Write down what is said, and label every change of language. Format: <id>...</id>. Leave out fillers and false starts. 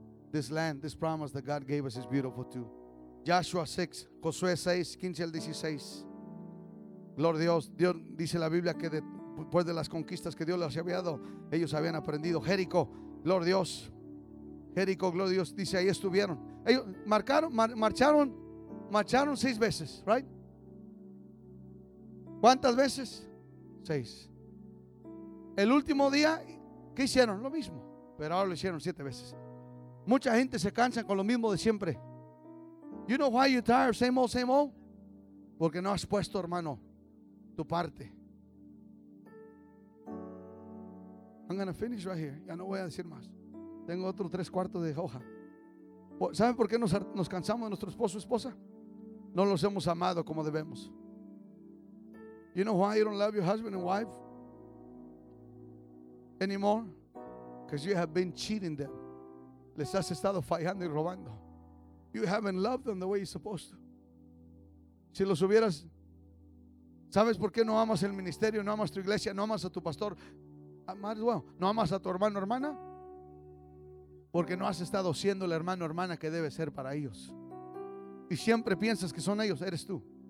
<en>This land, this promise that God gave us is beautiful too.</en> <es>Joshua 6, Josué 6, 15 al 16. Gloria a Dios. Dios dice la Biblia que después de las conquistas que Dios les había dado, ellos habían aprendido. Jericó, gloria a Dios. Jericó, gloria a Dios. Dice ahí estuvieron. Ellos marcharon seis veces, right? ¿Cuántas veces? Seis. El último día, ¿qué hicieron? Lo mismo, pero ahora lo hicieron siete veces. Mucha gente se cansa con lo mismo de siempre.</es> <en>You know why you're tired, same old, same old?</en> <es>Porque no has puesto, hermano, tu parte.</es> <en>I'm going to finish right here.</en> <es>Ya no voy a decir más. Tengo otro tres cuartos de hoja. ¿Saben por qué nos cansamos de nuestro esposo o esposa? No los hemos amado como debemos.</es> <en>You know why you don't love your husband and wife anymore? Because you have been cheating them.</en> <es>Les has estado fallando y robando.</es> <en>You haven't loved them the way you're supposed to.</en> <es>Si los hubieras, ¿sabes por qué no amas el ministerio, no amas tu iglesia, no amas a tu pastor? No amas a tu hermano o hermana. Porque no has estado siendo el hermano o hermana que debe ser para ellos. Y siempre piensas que son ellos, eres tú.</es>